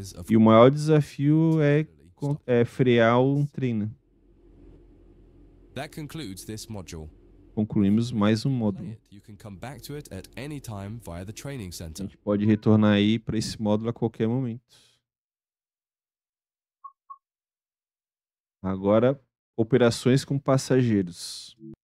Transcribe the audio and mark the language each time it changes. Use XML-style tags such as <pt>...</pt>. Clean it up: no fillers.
<pt>E o maior desafio é frear um trem.</pt> <en>That concludes this module.</en> <pt>Concluímos mais um módulo.</pt> <en>You can come back to it at any time via the training center.</en> <pt>A gente pode retornar aí para esse módulo a qualquer momento. Agora, operações com passageiros.</pt>